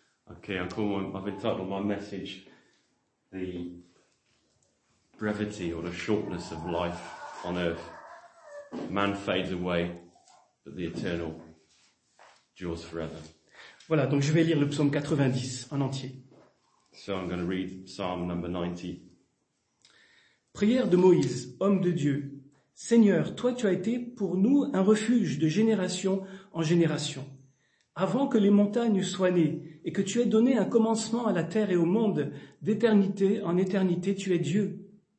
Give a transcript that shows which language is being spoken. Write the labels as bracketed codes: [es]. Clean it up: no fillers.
[fr] Ok, encore un titre de mon message [en] « The brevity or the shortness of life on earth. Man fades away, but the eternal endures forever. » [fr] Voilà, donc je vais lire le psaume 90 en entier. [en] So I'm going to read psalm number 90. [fr] Prière de Moïse, homme de Dieu. Seigneur, toi tu as été pour nous un refuge de génération en génération. Avant que les montagnes soient nées et que tu aies donné un commencement à la terre et au monde, d'éternité en éternité tu es Dieu.